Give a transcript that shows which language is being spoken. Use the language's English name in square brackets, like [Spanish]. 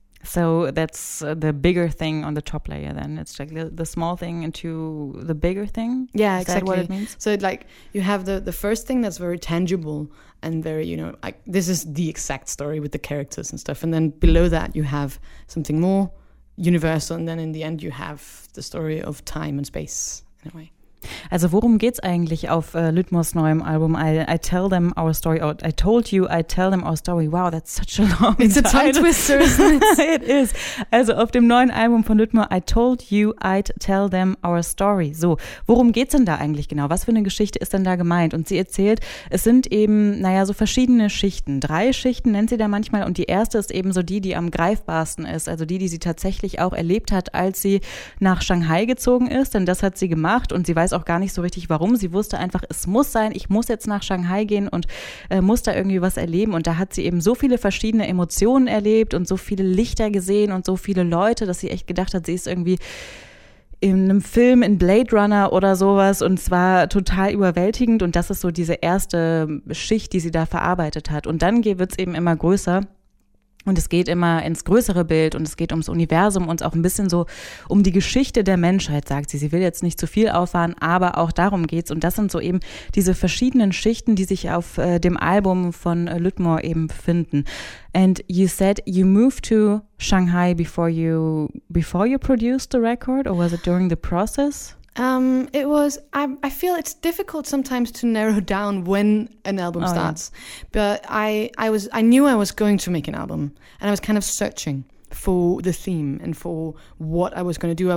[English] So that's the bigger thing on the top layer then. It's like the small thing into the bigger thing? Yeah, is exactly. That what it means? So like you have the first thing that's very tangible and very, you know, like this is the exact story with the characters and stuff. And then below that you have something more universal. And then in the end you have the story of time and space in a way. [German] Also worum geht's eigentlich auf Lütmors neuem Album? [English] I Tell Them Our Story. Or I Told You, I Tell Them Our Story. Wow, that's such a long title. It's a tongue twister, isn't it? It is. [German] Also auf dem neuen Album von Lütmor, [English] I Told You, I'd Tell Them Our Story. [German] So, worum geht's denn da eigentlich genau? Was für eine Geschichte ist denn da gemeint? Und sie erzählt, es sind eben, naja, so verschiedene Schichten. Drei Schichten nennt sie da manchmal. Und die erste ist eben so die, die am greifbarsten ist. Also die, die sie tatsächlich auch erlebt hat, als sie nach Shanghai gezogen ist. Denn das hat sie gemacht. Und sie weiß auch gar nicht so richtig, warum. Sie wusste einfach, es muss sein, ich muss jetzt nach Shanghai gehen und muss da irgendwie was erleben. Und da hat sie eben so viele verschiedene Emotionen erlebt und so viele Lichter gesehen und so viele Leute, dass sie echt gedacht hat, sie ist irgendwie in einem Film, in Blade Runner oder sowas, und zwar total überwältigend. Und das ist so diese erste Schicht, die sie da verarbeitet hat. Und dann wird es eben immer größer. Und es geht immer ins größere Bild und es geht ums Universum und auch ein bisschen so um die Geschichte der Menschheit, sagt sie. Sie will jetzt nicht zu viel auffahren, aber auch darum geht's. Und das sind so eben diese verschiedenen Schichten, die sich auf dem Album von Lütmore eben befinden. [English] And you said you moved to Shanghai before you produced the record, or was it during the process? It was, I feel it's difficult sometimes to narrow down when an album starts, yeah. But I knew I was going to make an album, and I was kind of searching for the theme and for what I was going to do.